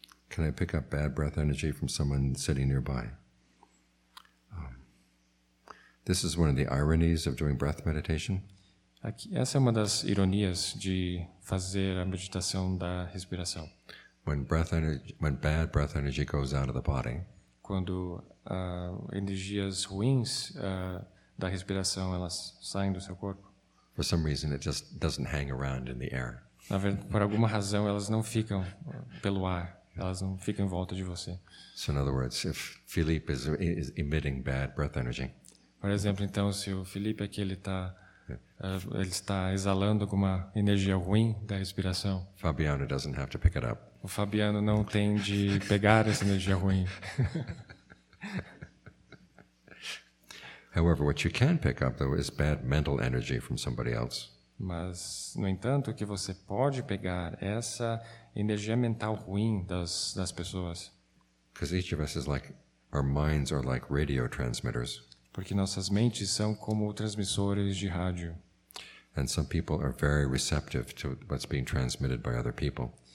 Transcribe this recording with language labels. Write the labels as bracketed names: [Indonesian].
[English] Can I pick up bad breath energy from someone sitting nearby? This is one of the ironies of doing breath meditation. [Portuguese] Aqui, essa é uma das ironias de fazer a meditação da respiração. [English] When bad breath energy goes out of the body, [Portuguese] quando energias ruins da respiração elas saem do seu corpo. [English] For some reason, it just doesn't hang around in the air. [Portuguese] Na verdade, por alguma razão, elas não ficam pelo ar. Elas não ficam em volta de você. [English] So, in other words, if Felipe is emitting bad breath energy. [Portuguese] Por exemplo, então, se o Felipe aqui ele está exalando alguma energia ruim da respiração. [English] Fabiano doesn't have to pick it up. [Portuguese] O Fabiano não tem de pegar essa energia ruim. [English] However, what you can pick up though is bad mental energy from somebody else. [Portuguese] Mas, no entanto, o que você pode pegar é essa energia mental ruim das pessoas. [English] Because each of us is like our minds are like radio transmitters. [Portuguese] Porque nossas mentes são como transmissores de rádio. [English] And some people are very receptive to what's being transmitted by other people.